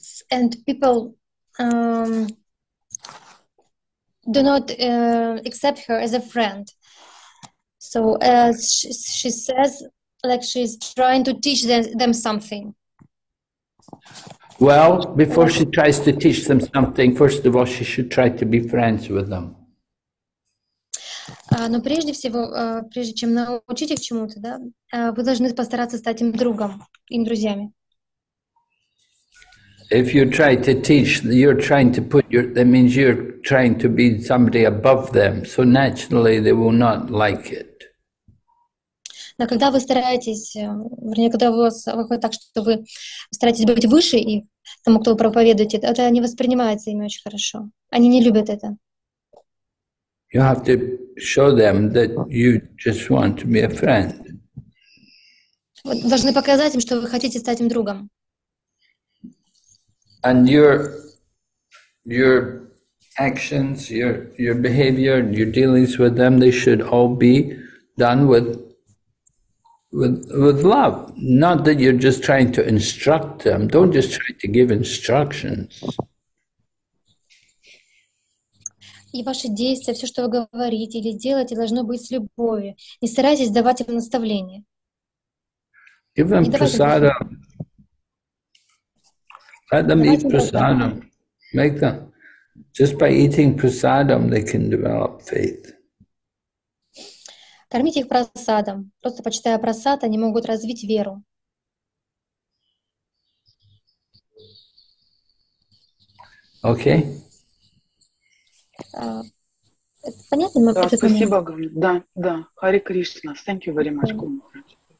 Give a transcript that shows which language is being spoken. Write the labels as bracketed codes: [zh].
[en] And people do not accept her as a friend. So as she says, like she's trying to teach them something. Well, before she tries to teach them something, first of all, she should try to be friends with them. [ru] Но прежде всего, прежде чем научить их чему-то, да, вы должны постараться стать им другом, им друзьями. [en] If you try to teach, you're trying to put your, that means you're trying to be somebody above them, so naturally they will not like it. [ru] Но когда вы стараетесь, вернее, когда у вас выходит так, что вы стараетесь быть выше и тому, кто проповедуете, это не воспринимается ими очень хорошо. Они не любят это. [en] You have to show them that you just want to be a friend. [ru] Вы должны показать им, что вы хотите стать им другом. [en] And your actions, your behavior, your dealings with them, they should all be done with love, not that you're just trying to instruct them. Don't just try to give instructions. [ru] И ваши действия, все, что вы говорите или делаете, должно быть с любовью. Не старайтесь давать им наставления. [en] Give them prasada. Let them eat prasada. Make them. Just by eating prasada, they can develop faith. [ru] Кормите их просадом. Просто почитая просад, они могут развить веру. Окей. Okay. Понятно, мы просто. Да, спасибо, говорю. Да, да. Харе Кришна. [en] Thank you very much, [ru] Гуру Махарадж.